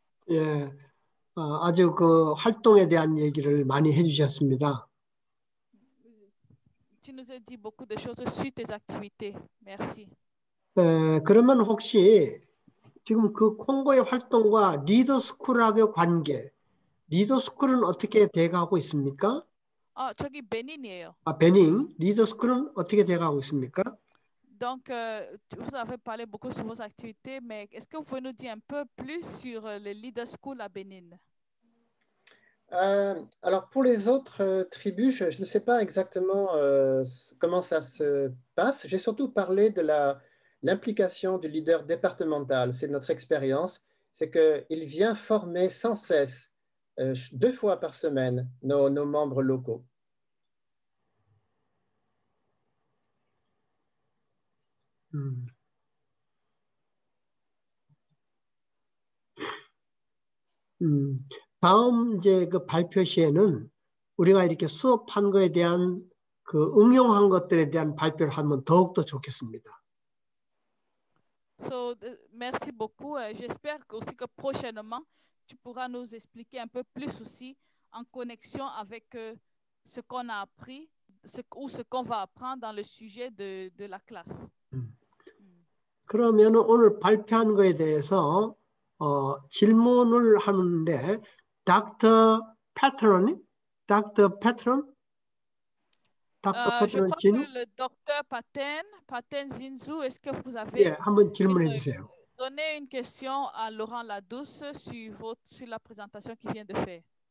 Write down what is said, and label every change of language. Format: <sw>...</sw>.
<ko>예, 아주 그 활동에 대한 얘기를 많이 해주셨습니다.</ko> <fr>Tu nous as dit beaucoup de choses sur tes activités. Merci.</fr> <ko>예, 그러면 혹시 지금 그 콩고의 활동과 리더 스쿨학의 관계, 리더 스쿨은 어떻게 대응하고 있습니까? 아, 저기 베닌이에요. 아, 베닌. 리더 스쿨은 어떻게 대응하고 있습니까?</ko> <fr>Donc, vous avez parlé beaucoup sur vos activités, mais est-ce que vous pouvez nous dire un peu plus sur les leader school à Bénin? Alors, pour les autres tribus, je ne sais pas exactement comment ça se passe. J'ai surtout parlé de l'implication du leader départemental. C'est notre expérience. C'est qu'il vient former sans cesse, deux fois par semaine, nos membres locaux.</fr> <ko>Daum, 이제 그 발표 시에는 우리가 이렇게 수업한 거에 대한 그 응용한 것들에 대한 발표를 하면 더욱더 좋겠습니다.</ko> <fr>So, merci beaucoup. J'espère aussi que prochainement tu pourras nous expliquer un peu plus aussi en connexion avec ce qu'on a appris ou ce qu'on va apprendre dans le sujet de la classe.</fr> <ko>그러면 오늘 발표한 거에 대해서 질문을 하는데 닥터 패트론</ko> <fr>닥터 패트론 진우 le docteur Patten Zinzou est-ce que vous avez</fr> <ko>예, 한번 질문해 주세요.</ko> <fr>Donnez une question à Laurent Ladouce sur la présentation qui vient de faire.</fr>